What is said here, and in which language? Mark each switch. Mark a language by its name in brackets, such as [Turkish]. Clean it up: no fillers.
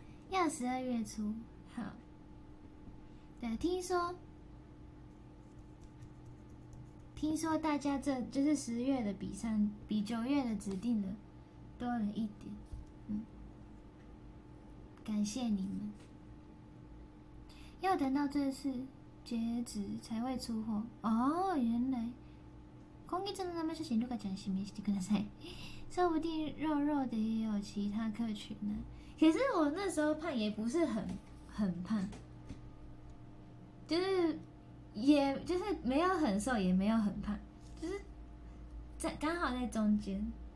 [Chinese] 要12月初，好。对，听说大家这就是十月的比上比九月的指定的多了一点，感谢你们。要等到这次截止才会出货哦，原来。 [Japanese] 今月の生写真とかちゃん指名してください。 [Chinese] 说不定肉肉的也有其他客群呢。可是我那时候胖也不是很胖，就是。也就是没有很瘦，也没有很胖，就是在刚好在中间。